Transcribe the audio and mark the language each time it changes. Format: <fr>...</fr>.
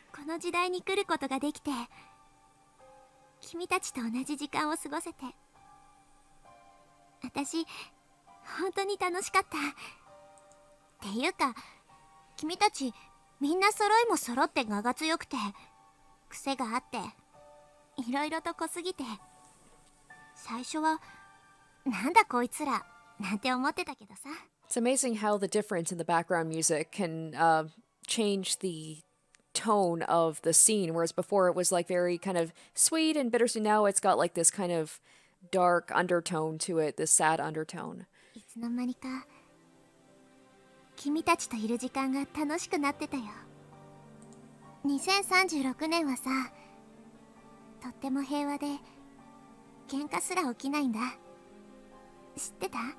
<ja>この時代に来ることができて、君たちと同じ時間を過ごせて、私本当に楽しかった。っていうか、君たちみんな揃いも揃って我が強くて、癖があって、いろいろと濃すぎて、最初はなんだこいつらなんて思ってたけどさ。</ja> <en>It's amazing how the difference in the background music can change the tone of the scene, whereas before it was like very kind of sweet and bittersweet. Now it's got like this kind of dark undertone to it, this sad undertone.</en> <ja>いつの間にか君たちといる時間が楽しくなってたよ。 2036年はさ、とっても平和で喧嘩すら起きないんだ。知ってた？</ja>